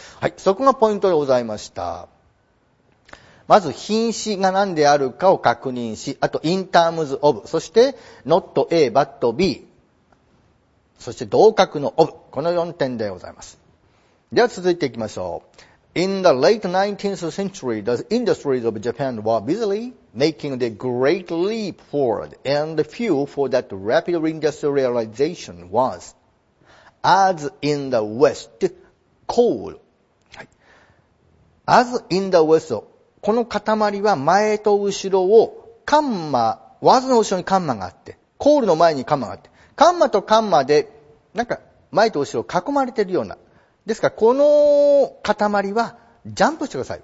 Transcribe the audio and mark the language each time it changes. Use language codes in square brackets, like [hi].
[ja] はい、そこがポイントでございました。まず、品詞が何であるかを確認し、あと、 [en] in terms of、 [ja] そして、 [en] not A, but B、 [ja] そして、同格の of、この4点でございます。では、続いていきましょう。 [en] In the late 19th century, the industries of Japan were busily making the great leap forward, and the fuel for that rapid industrialization was, as in the West, coal. As in the West, [ja] この塊は前と後ろをカンマ、ワズの後ろにカンマがあって、コールの前にカンマがあって、カンマとカンマでなんか前と後ろ囲まれているような、ですから、この塊は、ジャンプしてください。